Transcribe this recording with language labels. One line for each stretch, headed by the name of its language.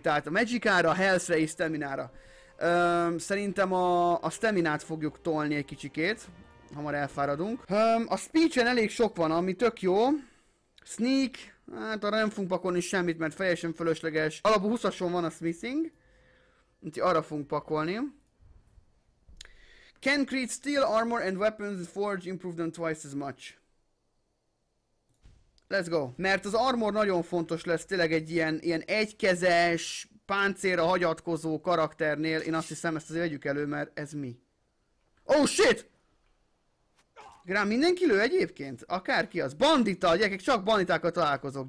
Hungarian: Tehát a Magicára, a Healthre és Staminára. Szerintem a Staminát fogjuk tolni egy kicsikét. Hamar elfáradunk. A speech-en elég sok van, ami tök jó. Sneak, hát arra nem fogunk pakolni semmit, mert teljesen fölösleges. Alapú 20-ason van a smithing. Úgyhogy arra fogunk pakolni.
English: Can create steel armor and weapons and forge improve them twice as much. Let's go.
Hungarian: Mert az armor nagyon fontos lesz tényleg egy ilyen egykezes, páncélra hagyatkozó karakternél. Én azt hiszem, ezt azért vegyük elő, mert ez mi?
English: Oh shit!
Hungarian: Grám, mindenki lő egyébként? Akárki az. Bandita, gyerekek, csak banditákkal találkozok.